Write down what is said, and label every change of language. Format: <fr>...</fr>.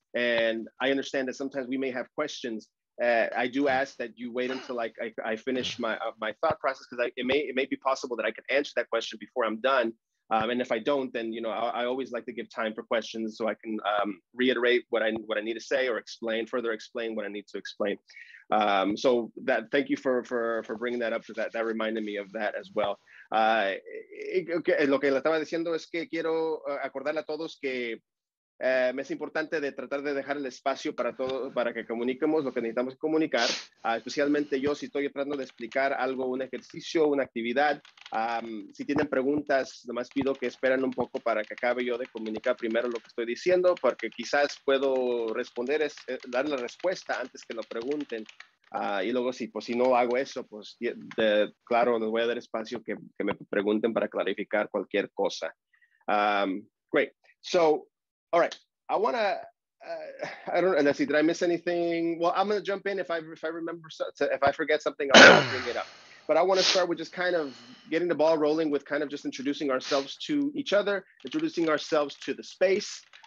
<en>And I understand that sometimes we may have questions. I do ask that you wait until I finish my thought process, because it may be possible that I can answer that question before I'm done. And if I don't, then you know I always like to give time for questions so I can reiterate what I need to say or explain what I need to explain. So that thank you for bringing that up, because that reminded me of that as well.</en> <es>Lo que le estaba diciendo es que quiero acordarle a todos que me es importante de tratar de dejar el espacio para todos, para que comuniquemos lo que necesitamos comunicar, especialmente yo si estoy tratando de explicar algo, un ejercicio, una actividad. Si tienen preguntas, nomás pido que esperen un poco para que acabe yo de comunicar primero lo que estoy diciendo, porque quizás puedo responder, dar la respuesta antes que lo pregunten. Y luego sí, pues si no hago eso, pues de, claro, les voy a dar espacio que me pregunten para clarificar cualquier cosa.</es> <en>Great. So, all right. I want to, I don't know, let's see, did I miss anything? Well, I'm going to jump in if I remember, if I forget something, I'll bring it up. But I want to start with just kind of getting the ball rolling with kind of just introducing ourselves to each other, introducing ourselves to the space.</en>